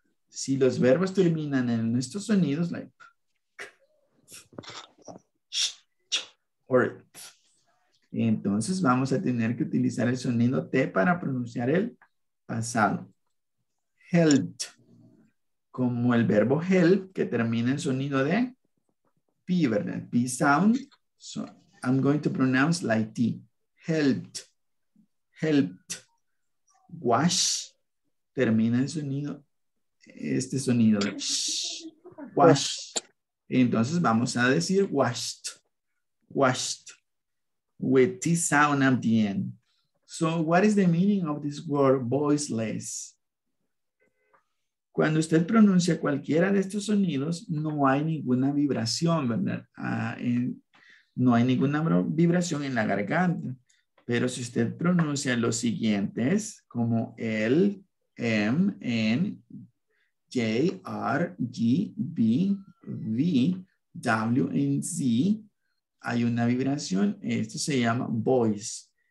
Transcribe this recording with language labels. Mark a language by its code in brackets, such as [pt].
[es] Si los verbos terminan en estos sonidos, like, or, entonces vamos a tener que utilizar el sonido T para pronunciar el pasado. Helped, como el verbo help, que termina en sonido de P, ¿verdad? [en] P sound, so, I'm going to pronounce like T. Helped. Helped. Wash. [es] Termina el sonido. Este sonido. Shh. Washed. Entonces vamos a decir washed. Washed. [en] With T sound at the end. So what is the meaning of this word voiceless? [es] Cuando usted pronuncia cualquiera de estos sonidos, no hay ninguna vibración, ¿verdad? No hay ninguna vibración en la garganta, pero si usted pronuncia los siguientes como L, M, N, J, R, G, B, V, W, N, Z, hay una vibración, esto se llama voice.